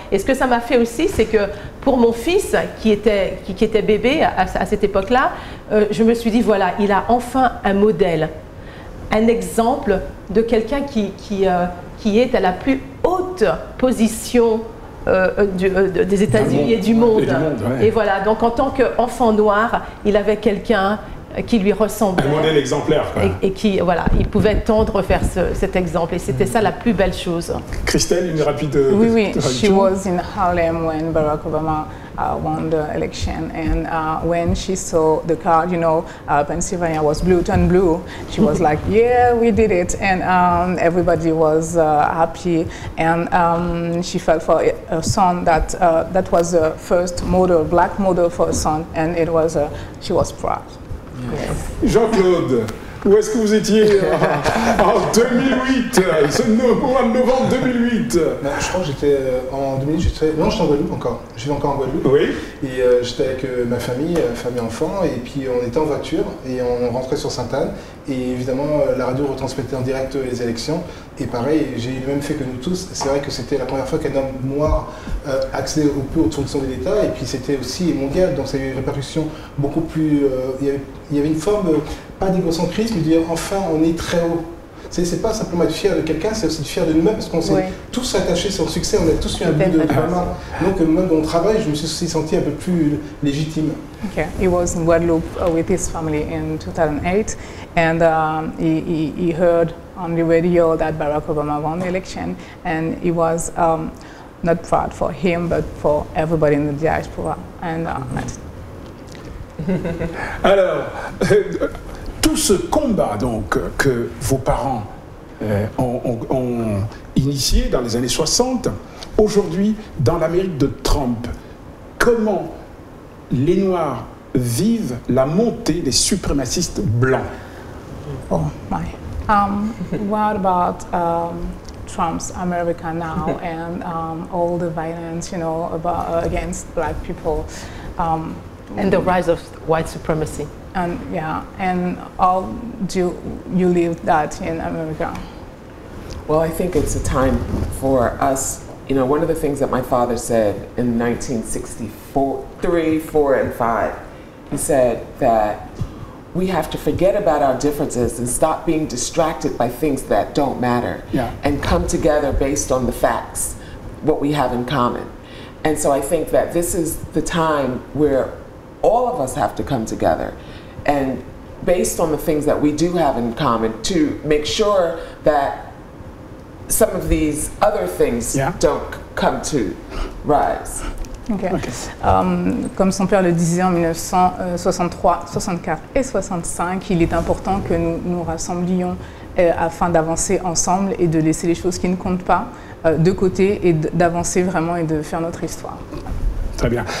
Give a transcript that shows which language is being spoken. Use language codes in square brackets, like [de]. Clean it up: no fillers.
[fr] Et ce que ça m'a fait aussi, c'est que pour mon fils, qui était bébé à cette époque-là, je me suis dit, voilà, il a enfin un modèle, un exemple de quelqu'un qui est à la plus haute position des États-Unis et du monde. Et, du monde, et voilà, donc en tant qu'enfant noir, il avait quelqu'un qui lui ressemblait. Un modèle exemplaire, quoi. Et qui, voilà, il pouvait tendre vers cet exemple. Et c'était ça la plus belle chose. Christelle, une rapide... Oui, oui. [en] She was in Harlem when Barack Obama won the election. And when she saw the card, you know, Pennsylvania was blue, turned blue. She was like, yeah, we did it. And everybody was happy. And she felt for a son that was the first model, black model for a son. And it was, she was proud. Yes. [fr] Jean-Claude, où est-ce que vous étiez en 2008, ce mois de novembre 2008? Ben, je crois que j'étais en 2008, j'étais en Guadeloupe encore. Je vis encore en Guadeloupe. Oui. Et j'étais avec ma famille enfant, et puis on était en voiture et on rentrait sur Sainte-Anne. Et évidemment, la radio retransmettait en direct les élections. Et pareil, j'ai eu le même fait que nous tous. C'est vrai que c'était la première fois qu'un homme noir accédait au plus hautes fonctions de l'État. Et puis c'était aussi mondial, donc ça a eu une répercussion beaucoup plus... Il y avait une forme, pas d'égocentrisme, de dire « enfin, on est très haut ». C'est pas simplement être fier de quelqu'un, c'est aussi être fier de nous-mêmes, parce qu'on s'est tous attachés sur le succès, on a tous eu un bout de la main. Donc moi, dans mon travail, je me suis aussi senti un peu plus légitime. [en] Okay, he was in Guadeloupe with his family in 2008, and he heard on the radio that Barack Obama won the election, and he was not proud for him, but for everybody in the diaspora. And [fr] alors, tout ce combat donc que vos parents ont initié dans les années 60, aujourd'hui dans l'Amérique de Trump, comment les Noirs vivent la montée des suprémacistes blancs? [en] Oh my. What about Trump's America now and all the violence, you know, about against black people? And the rise of white supremacy. And yeah, and how do you live that in America? Well, I think it's a time for us, you know, one of the things that my father said in 1964, 1963, 1964, 1965, he said that we have to forget about our differences and stop being distracted by things that don't matter, yeah, and come together based on the facts, what we have in common. And so I think that this is the time where all of us have to come together, and based on the things that we do have in common, to make sure that some of these other things, yeah, don't come to rise. Okay. Okay. [fr] Comme son père le disait en 1963, 64 et 65, il est important que nous nous rassemblions afin d'avancer ensemble et de laisser les choses qui ne comptent pas de côté et d'avancer vraiment et de faire notre histoire. Très bien.